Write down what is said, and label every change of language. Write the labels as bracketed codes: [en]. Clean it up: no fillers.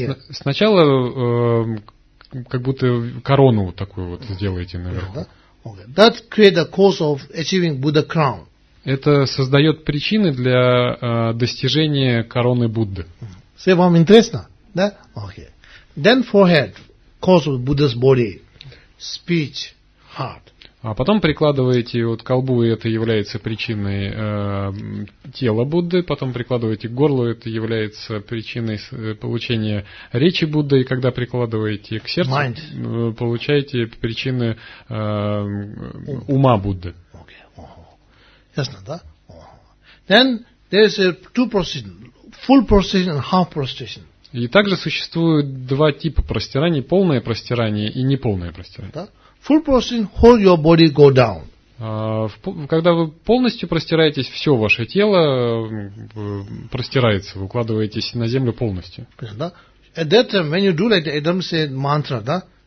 [ru] Сначала как будто корону такую вот сделаете наверху. [en] That create the cause of achieving Buddha crown. [ru] Это создает причины для достижения короны Будды. Все вам интересно? Да? Окей. [en] Then forehead, cause of Buddha's body, speech, heart. [ru] А потом прикладываете вот к колбу, и это является причиной тела Будды, потом прикладываете к горлу, это является причиной получения речи Будды, и когда прикладываете к сердцу, [en] mind. [ru] Получаете причины ума Будды. Ясно, да? [en] Then there is a two prostration, full prostration and half prostration. [ru] И также существуют два типа простираний: полное простирание и неполное простирание. Да? [en] Full prostration, hold your body, go down. [ru] Когда вы полностью простираетесь, все ваше тело простирается, вы укладываетесь на землю полностью. Да? [en] At that time, when you do like that, Adam said mantra, [ru] да?